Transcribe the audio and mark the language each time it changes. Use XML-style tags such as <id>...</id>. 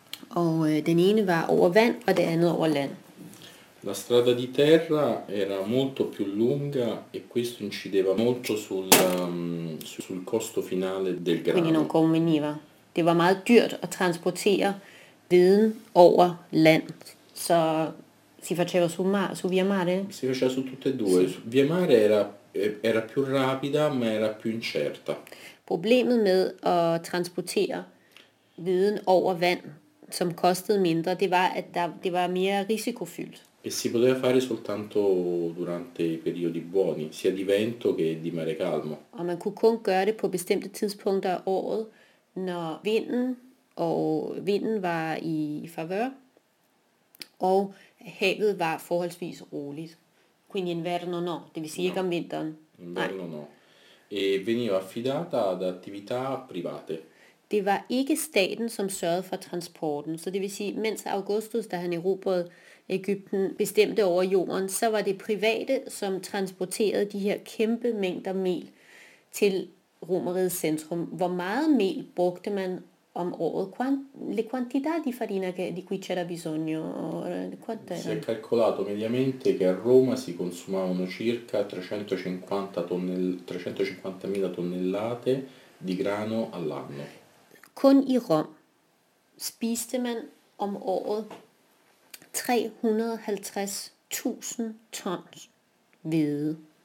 <da>Og den ene var over vand, og det andet over land.</da> <it>La strada di terra era molto più lunga e questo incideva molto sul costo finale del grano. Quindi non conveniva.</it> <da>Det var meget dyrt at transportere viden over land, så</da> <it>si faceva su via mare? Si faceva su tutte e due. Via mare era più rapida, ma era più incerta.</it> <da>Problemet med at transportere viden over vand, som kostede mindre, det var, at det var mere risikofyldt.</da> <it>E si poteva fare soltanto durante i periodi buoni, sia di vento che di mare calmo.</it> <da>Og man kunne kun gøre det på bestemte tidspunkter af året, når vinden, og vinden var i favør, og havet var forholdsvis roligt.</da> <it>Quindi inverno no,</it> <da>det vil sige ikke om vinteren.</da> <it>Inverno no. E veniva affidata ad attività private.</it> <da>Det var ikke staten, som sørgede for transporten. Så det vil sige, mens Augustus, da han erobrede Egypten, bestemte over jorden, så var det private, som transporterede de her kæmpe mængder mel til Romerrigets centrum. Hvor meget mel brugte man om året?</da> <it>Le quantità di farina di cui c'era bisogno? Si è calcolato mediamente che a Roma si consumavano circa 350.000 tonnellate di grano all'anno.</it> <da>Kun i Rom spiste man om året 350.000 tons hvede.</da>